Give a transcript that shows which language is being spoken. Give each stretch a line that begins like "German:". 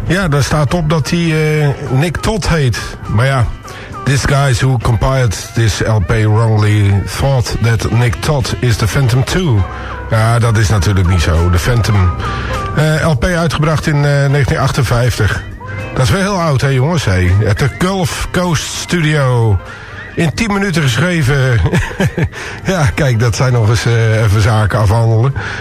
Dutch: Daar staat op dat hij Nick Todd heet. Maar ja,
English: this guy who compiled this LP wrongly thought that Nick Todd is the Phantom 2.
Dutch: Ja, dat is natuurlijk niet zo. De Phantom. LP uitgebracht in 1958... Dat is wel heel oud, hè, jongens. Hè?
English: At the Gulf Coast Studio.
Dutch: In 10 minuten geschreven. Ja, kijk, dat zijn nog eens even zaken afhandelen.